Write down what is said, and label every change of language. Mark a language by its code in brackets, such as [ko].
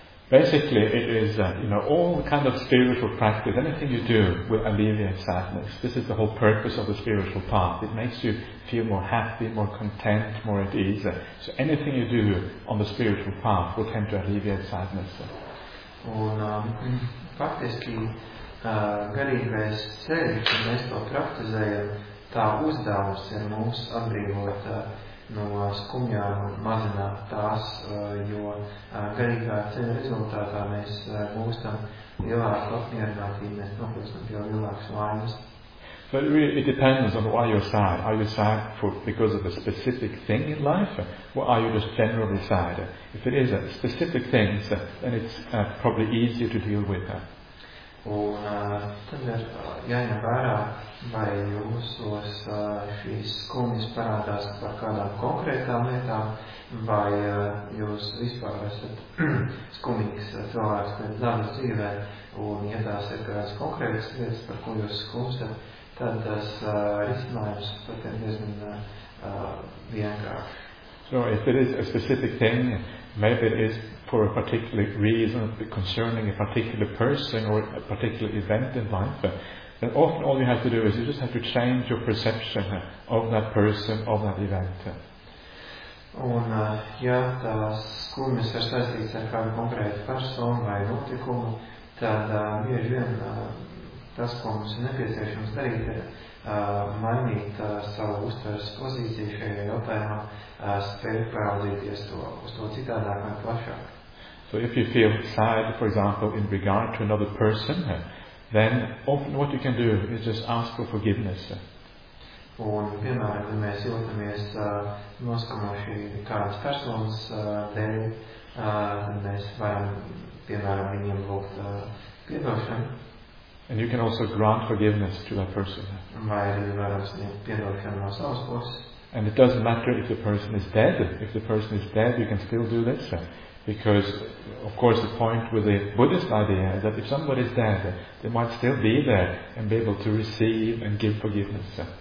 [en] Basically, it is, all kind of spiritual practice, anything you do will alleviate sadness. This is the whole purpose of the spiritual path. It makes you feel more happy, more content, more at ease. So anything you do on the spiritual path will tend to alleviate sadness. [lv] Un faktiski, garīgais ceļš, kad mēs to praktizējam, tā uzdevums ir mums atbrīvot no skumjām mazināt tās, jo garīgā ceļa rezultātā mēs būstam lielāku apmierinātību, mēs nokļūstam pie lielākas laimes. [en] So it really it depends on why you're sad. Are you sad because of a specific thing in life, or are you just generally sad? If it is a specific thing, then it's probably easier to deal with that. [lv] Un tad ir jāņem vērā, vai jūsos šīs skumjas parādās par kādām konkrētām lietām, vai jūs vispār esat skumīgs cilvēks pēc dzīves dzīvē, un ja tās ir kādas konkrētas lietas, par ko jūs skumstat, tad tas risinājums pat ir diezgan vienkārši. [en] So if it is a specific thing, maybe it is for a particular reason concerning a particular person or a particular event in life, then often all you have to do is you just have to change your perception of that person, of that event. [lv] Un, ja tās skumjas ir saistītas ar kādu konkrētu personu vai notikumu, tad bieži vien tas, ko mums ir nepieciešams darīt, ir mainīt savu uztveres pozīciju šajā jautājumā, spēju paraudzīties to uz to citādāk un plašāk. [en] So if you feel sad, for example, in regard to another person, then often what you can do is just ask for forgiveness. [lv] Un, piemēram, ja mēs jūtamies noskumoši kādas personas dēļ, mēs varam, piemēram, viņiem lūgt piedošanu. [en] And you can also grant forgiveness to that person. [lv] Vai arī varam sniegt piedošanu no savas puses. [en] And it doesn't matter if the person is dead. If the person is dead, you can still do this. Because, of course, the point with the Buddhist idea is that if somebody is dead, they might still be there and be able to receive and give forgiveness.